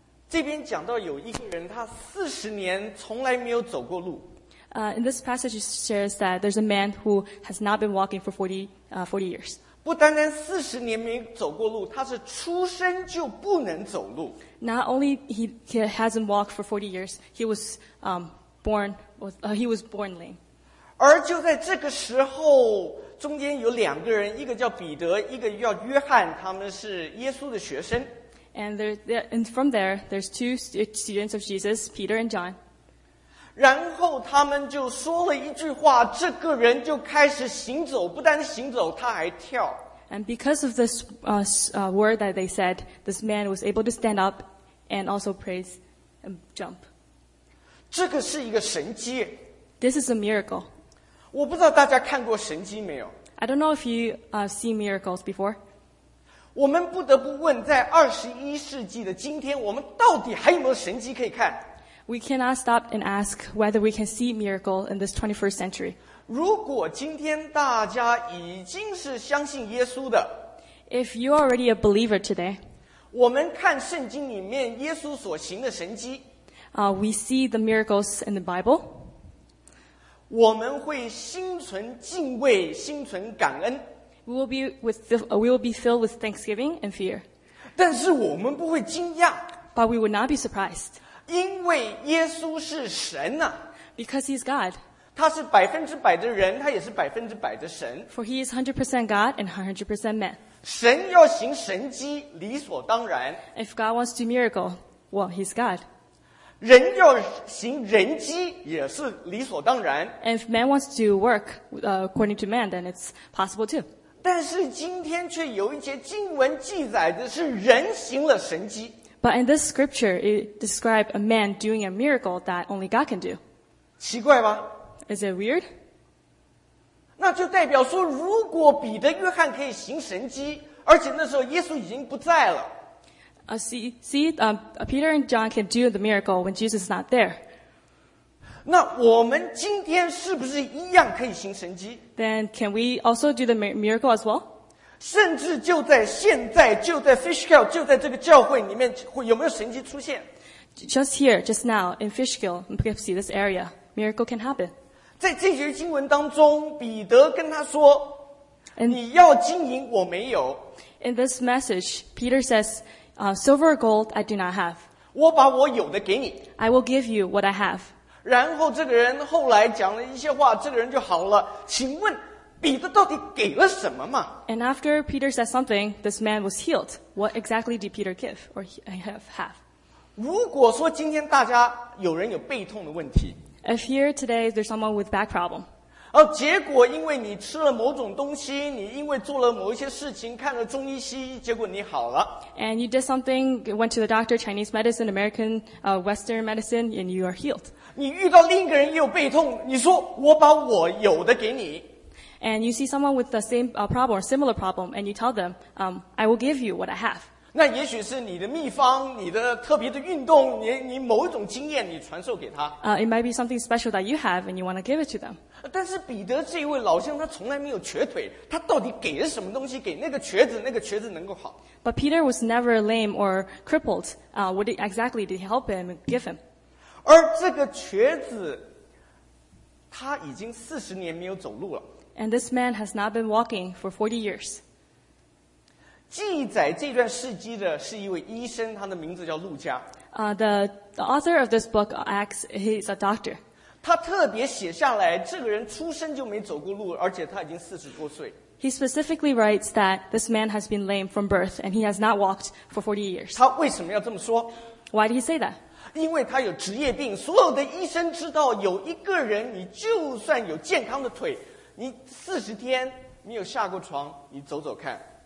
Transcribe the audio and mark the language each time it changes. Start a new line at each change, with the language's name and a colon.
Chinese: 这边讲到有一个人，他四十年从来没有走过路。
English: In this passage shares that there's a man who has not been walking for 40 years.
Chinese: 不单单四十年没走过路，他是出生就不能走路。
English: Not only he hasn't walked for 40 years, he was born lame.
Chinese: 而就在这个时候，中间有两个人，一个叫彼得，一个叫约翰，他们是耶稣的学生。
English: And from there, there's two students of Jesus, Peter and John.
Chinese: 然后他们就说了一句话，这个人就开始行走，不但行走，他还跳。
English: And because of this word that they said, this man was able to stand up and also praise and jump.
Chinese: 这个是一个神迹。
English: This is a miracle.
Chinese: 我不知道大家看过神迹没有。
English: I don't know if you seen miracles before.
Chinese: 我们不得不问，在21世纪的今天，我们到底还有没有神迹可以看
English: ？We cannot stop and ask whether we can see miracle in this 21st century.
Chinese: 如果今天大家已经是相信耶稣的
English: ，If you are already a believer today,
Chinese: 我们看圣经里面耶稣所行的神迹
English: ，We see the miracles in the Bible.
Chinese: 我们会心存敬畏，心存感恩。
English: We will be filled with thanksgiving and fear.
Chinese: 但是我们不会惊讶。
English: But we would not be surprised.
Chinese: 因为耶稣是神啊。
English: Because he's God.
Chinese: 他是百分之百的人，他也是百分之百的神。
English: For he is 100% God and 100% man.
Chinese: 神要行神迹，理所当然。
English: If God wants to do miracle, well, he's God.
Chinese: 人要行人迹，也是理所当然。
English: And if man wants to work according to man, then it's possible too.
Chinese: 但是今天却有一节经文记载的是人行了神迹。
English: But in this scripture, it describes a man doing a miracle that only God can do.
Chinese: 奇怪吗？
English: Is it weird?
Chinese: 那就代表说，如果彼得、约翰可以行神迹，而且那时候耶稣已经不在了。
English: Peter and John can do the miracle when Jesus is not there.
Chinese: 那我们今天是不是一样可以行神迹
English: ？Then can we also do the miracle as well?
Chinese: 甚至就在现在，就在 Fishkill， 就在这个教会里面，会有没有神迹出现
English: ？Just here, just now in Fishkill, in Poughkeepsie, this area, miracle can happen.
Chinese: 在这些经文当中，彼得跟他说：“ and, 你要金银，我没有。”
English: In this message, Peter says, "Silver or gold, I do not have."
Chinese: 我把我有的给你。
English: I will give you what I have.
Chinese: 然后这个人后来讲了一些话，这个人就好了。请问彼得到底给了什么嘛
English: ？And after Peter said something, this man was healed. What exactly did Peter give or have?
Chinese: 如果说今天大家有人有背痛的问题。
English: If here today there's someone with back problem.
Chinese: 哦，结果因为你吃了某种东西，你因为做了某一些事情，看了中医西医，结果你好了。
English: And you did something, went to the doctor, Chinese medicine, American, Western medicine, and you are healed.
Chinese: 你遇到另一个人也有背痛，你说我把我有的给你。
English: And you see someone with the same problem or similar problem, and you tell them, I will give you what I have.
Chinese: 那也许是你的秘方，你的特别的运动，你某一种经验，你传授给他。
English: It might be something special that you have and you want to give it to them.
Chinese: 但是彼得这一位老乡，他从来没有瘸腿，他到底给了什么东西给那个瘸子，那个瘸子能够好
English: ？But Peter was never lame or crippled. What exactly did he help him give him?
Chinese: 而这个瘸子，他已经40年没有走路了。
English: And this man has not been walking for 40 years.
Chinese: 记载这段事迹的是一位医生，他的名字叫路加。
English: The author of this book Acts, he's a doctor.
Chinese: 他特别写下来，这个人出生就没走过路，而且他已经40多岁。
English: He specifically writes that this man has been lame from birth and he has not walked for 40 years.
Chinese: 他为什么要这么说
English: ？Why did he say that?
Chinese: 因为他有职业病，所有的医生知道，有一个人，你就算有健康的腿，你40天没有下过床，你走走看。